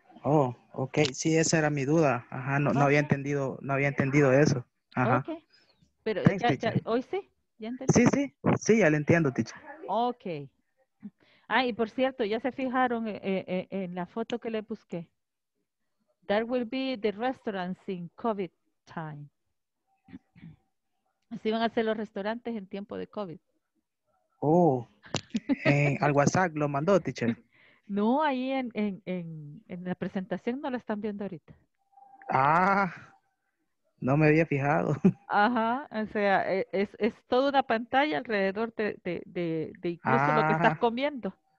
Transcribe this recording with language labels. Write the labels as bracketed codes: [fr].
[es] Oh, ok. Sí, esa era mi duda. Ajá, no, no había entendido, no había entendido eso. Ajá. Ok. Pero ya, ya, hoy sí, ya entendí. Sí, sí, sí, ya lo entiendo, teacher. Ok. Ah, y por cierto, ya se fijaron en la foto que le busqué. [en] That will be the restaurants in COVID time. [es] Así van a ser los restaurantes en tiempo de COVID. Oh, al WhatsApp lo mandó, teacher. No, ahí en la presentación no la están viendo ahorita. Ah, no me había fijado. Ajá, o sea, es toda una pantalla alrededor de incluso lo que estás comiendo.